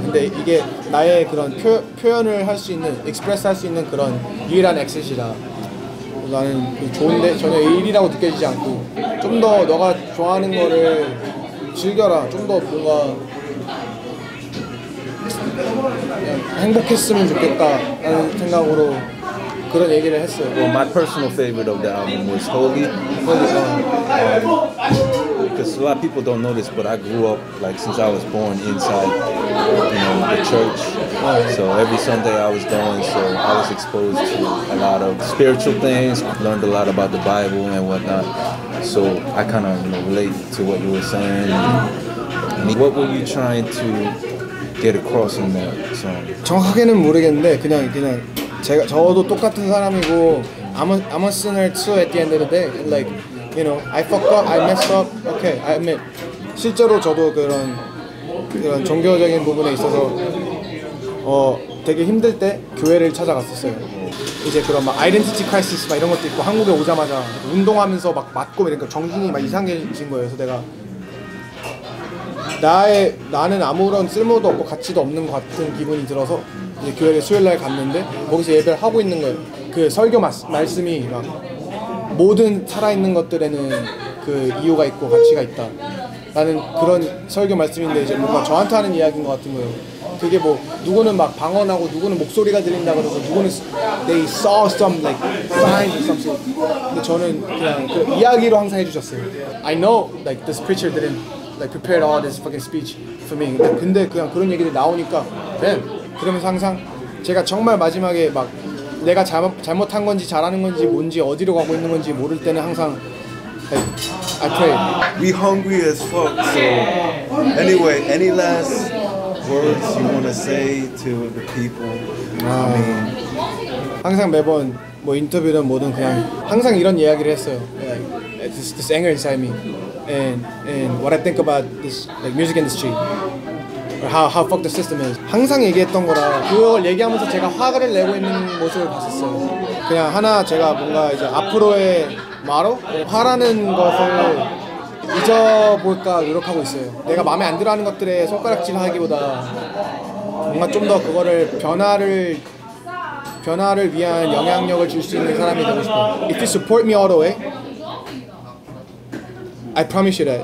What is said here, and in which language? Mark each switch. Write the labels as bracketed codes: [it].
[ko] 근데 이게 나의 그런 표현을 할 수 있는, express 할 수 있는 그런 유일한 exit이다. 나는 좋은데 전혀 일이라고 느껴지지 않고 좀 더 너가 좋아하는 거를 즐겨라. 좀 더 뭔가 행복했으면 좋겠다 라는 생각으로 그런 얘기를 했어요. [en] Well, my personal favorite of the album was Holy. Because a lot of people don't know this, but I grew up, like, since I was born inside, you know, the church. So every Sunday I was going, so I was exposed to a lot of spiritual things, learned a lot about the Bible and whatnot. So I kind of, you know, relate to what you were saying. And what were you trying to get across in that song? [ko] 정확하게는 모르겠는데, 그냥 제가 저도 똑같은 사람이고, [en] I'm a sinner too at the end of the day. Like, you know, I fucked up, I messed up. Okay, I admit. [ko] 실제로 저도 그런 종교적인 부분에 있어서 되게 힘들 때 교회를 찾아갔었어요. 이제 그런 막 아이덴티티 크라이시스 막 이런 것도 있고 한국에 오자마자 운동하면서 막 맞고 이러니까 정신이 막 이상해진 거예요. 그래서 내가 나는 아무런 쓸모도 없고 가치도 없는 것 같은 기분이 들어서 이제 교회를 수요일날 갔는데 거기서 예배를 하고 있는 거예요. 그 설교 말씀이 막 모든 살아있는 것들에는 그 이유가 있고 가치가 있다 라는 그런 설교 말씀인데 이제 뭔가 저한테 하는 이야기인 것 같은 거예요. 그게 뭐 누구는 막 방언하고 누구는 목소리가 들린다 그러고 누구는 [en] they saw some like sign or something. [ko] 근데 저는 그냥 그 이야기로 항상 해주셨어요. [en] I know like this preacher didn't like prepare all this fucking speech for me. [ko] 근데 그냥 그런 얘기들이 나오니까 damn. 그러면서 항상 제가 정말 마지막에 막 내가 잘못한 건지 잘하는 건지 뭔지 어디로 가고 있는 건지 모를 때는 항상 like, [en] I pray. We hungry as fuck. So anyway, any last words you want to say to the people? Wow. I mean, [ko] 항상 매번 뭐 인터뷰든 뭐든 그냥 항상 이런 이야기를 했어요. [en] Like, it's this anger inside me. And what I think about this like music industry. How fucked the system is. [ko] 항상 얘기했던 거라 그걸 얘기하면서 제가 화를 내고 있는 모습을 봤었어요. 그냥 하나 제가 뭔가 이제 앞으로의 말로 화라는 것을 잊어볼까 노력하고 있어요. 내가 마음에 안 들어하는 것들에 손가락질 하기보다 뭔가 좀 더 그거를 변화를 위한 영향력을 줄 수 있는 사람이 되고 싶어요. [en] If you support me all the way, I promise you that.